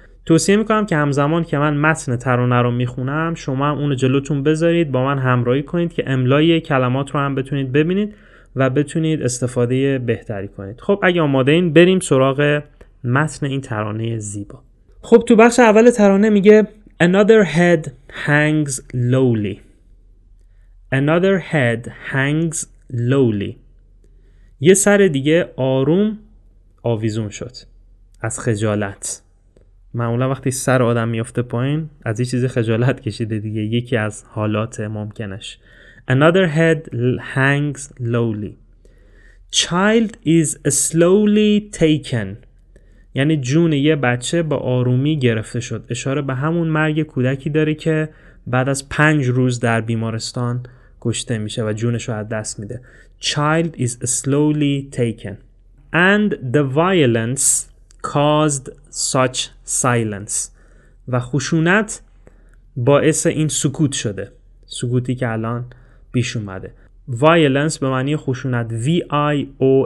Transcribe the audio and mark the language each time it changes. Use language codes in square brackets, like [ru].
[fa] توصیه میکنم که همزمان که من متن ترانه رو میخونم شما هم اون رو جلوتون بذارید، با من همراهی کنید که املای کلمات رو هم بتونید ببینید و بتونید استفاده بهتری کنید. خب اگه آماده این بریم سراغ متن این ترانه زیبا. خب تو بخش اول ترانه میگه [en] Another head hangs lowly. Another head hangs lowly. [fa] یه سر دیگه آروم آویزون شد از خجالت. معمولا وقتی سر آدم میفته پایین از یه چیزی خجالت کشیده دیگه، یکی از حالات ممکنش. [en] Another head hangs lowly. Child is slowly taken. [fa] یعنی جون یه بچه با آرومی گرفته شد. اشاره به همون مرگ کودکی داره که بعد از 5 روز در بیمارستان کشته میشه و جونش رو از دست میده. [en] Child is slowly taken. And the violence caused such silence. [fa] و خشونت باعث این سکوت شده، سکوتی که الان بیش اومده. Violence به معنی خشونت، V-I-O-L-E-N-C-E.